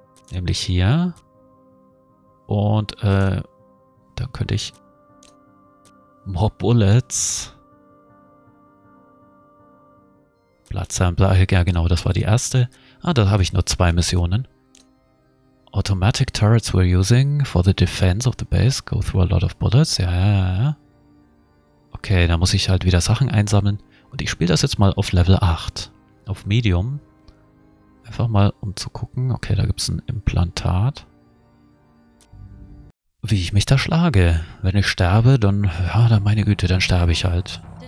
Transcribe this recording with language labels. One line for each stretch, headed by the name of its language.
German: Nämlich hier. Und dann könnte ich Mob Bullets. Blattsampler. Ja genau, das war die erste. Ah, da habe ich nur zwei Missionen.
English: Automatic turrets we're using for the defense of the base. Go through a lot of bullets.
German: Ja, ja, ja. Okay, da muss ich halt wieder Sachen einsammeln. Und ich spiele das jetzt mal auf Level 8. Auf Medium. Einfach mal, um zu gucken. Okay, da gibt es ein Implantat. Wie ich mich da schlage. Wenn ich sterbe, dann, ja, dann meine Güte, dann sterbe ich halt.